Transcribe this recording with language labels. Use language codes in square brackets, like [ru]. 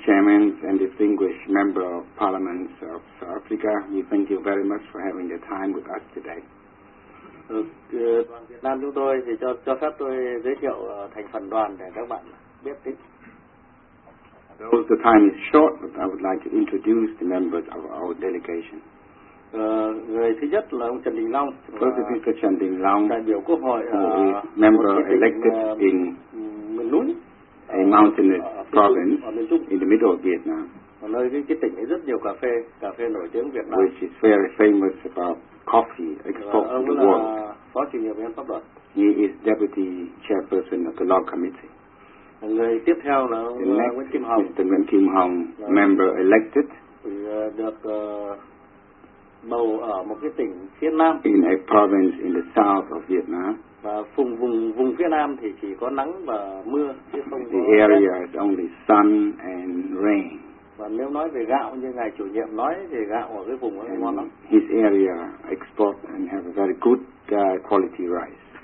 [en] Chairman and distinguished member of Parliament of South Africa. We thank you very much for having the time with us today. [vi] Đoàn Việt Nam chúng tôi thì cho phép tôi giới thiệu thành phần đoàn để các bạn biết đến. [en] Though the time is short, but I would like to introduce the members of our delegation. [vi] Người thứ nhất là ông Trần Đình Long. [en] First is Mr. Trần Đình Long, [vi] đại biểu Quốc hội, [en] who is member elected in a mountainous province in the middle of Vietnam. [vi] Nơi cái tỉnh ấy rất nhiều cà phê nổi tiếng Việt Nam. [en] Which is very famous about coffee export to the world. [vi] Phó chủ nhiệm ban pháp luật. [en] He is deputy chairperson of the law committee. [vi] Người tiếp theo là ông Nguyễn Kim Hồng. [en] Mr. Nguyễn Kim Hồng, member elected. [vi] Được bầu ở một cái tỉnh phía Nam. [en] In a province in the south of Vietnam. [vi] Và vùng phía Nam thì chỉ có nắng và mưa, chứ không có. [en] The area is only sun and rain. [vi] Và nếu nói về gạo như ngài chủ nhiệm nói thì gạo ở cái vùng ấy ngon lắm. [en] His area export and have a very good quality rice.